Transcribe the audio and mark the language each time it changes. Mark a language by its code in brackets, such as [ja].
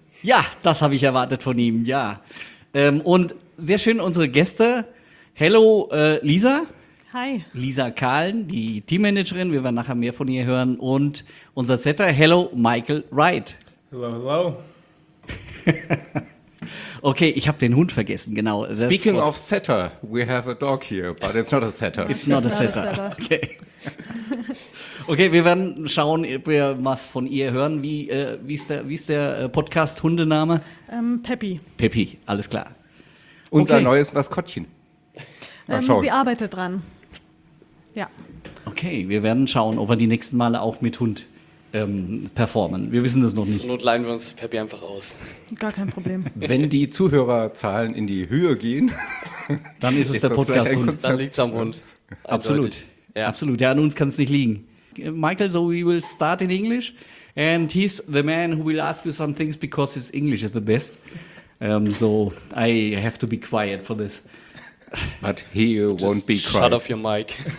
[de] Ja, das habe ich erwartet von ihm, ja. Und sehr schön unsere Gäste. [en] Hello, Lisa. Hi. [de] Lisa Kahlen, die Teammanagerin. Wir werden nachher mehr von ihr hören. Und unser Setter, hello, Michael Wright. [en] Hello, hello. [de] Okay, ich habe den Hund vergessen, genau. [en] Speaking of setter, we have a dog here, but it's not a setter. It's not a setter. [de] Okay. Okay, wir werden schauen, ob wir was von ihr hören. Wie ist der Podcast-Hundename? Peppi. Peppi, alles klar. Unser neues Maskottchen. Mal schauen. Sie arbeitet dran. Ja. Okay, wir werden schauen, ob wir die nächsten Male auch mit Hund performen. Wir wissen das noch nicht. Zur Not leihen wir uns Peppi einfach aus. Gar kein Problem. Wenn die Zuhörerzahlen in die Höhe gehen, dann ist es ist der Podcast-Hund. Dann liegt es am Hund. Absolut. Ja. Absolut. Ja, an uns kann es nicht liegen. [en] Michael, so we will start in English. And he's the man who will ask you some things because his English is the best. So I have to be quiet for this. But he won't be quiet. Shut off your mic.